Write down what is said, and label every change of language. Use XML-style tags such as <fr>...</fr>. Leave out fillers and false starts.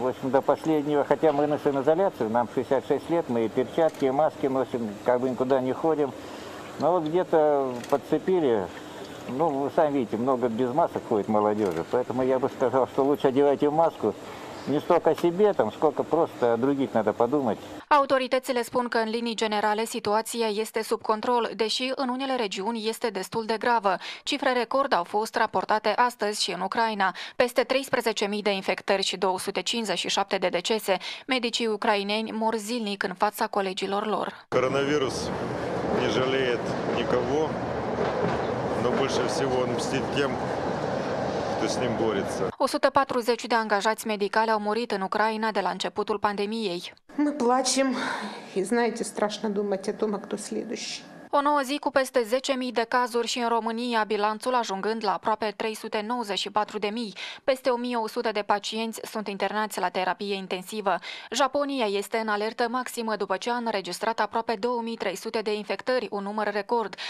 <ru>До последнего, хотя мы на самоизоляции, нам 66 лет, мы и перчатки, и маски носим, как бы никуда не ходим. Но вот где-то подцепили, ну вы сами видите, много без масок ходит молодежи, поэтому я бы сказал, что лучше одевайте маску. Не столько себе, там, сколько просто других надо подумать.</ru> <ro>Autoritățile spun că, în linii generale, situația este sub control, deși în unele regiuni este destul de gravă. Cifre record au fost raportate astăzi și în Ucraina. Peste 13.000 de infectări și 257 de decese. Medicii ucraineni mor zilnic în fața colegilor lor. Coronavirus nu jalee nicovo, dar mai mult decât mstit tem. 140 de angajați medicali au murit în Ucraina de la începutul pandemiei.</ro> <ru>Мы плачем, и знаете, страшно думать о том, кто следующий.</ru> <ro>O nouă zi cu peste 10.000 de cazuri și în România, bilanțul ajungând la aproape 394.000. Peste 1.100 de pacienți sunt internați la terapie intensivă. Japonia este în alertă maximă după ce a înregistrat aproape 2.300 de infectări, un număr record.</ro>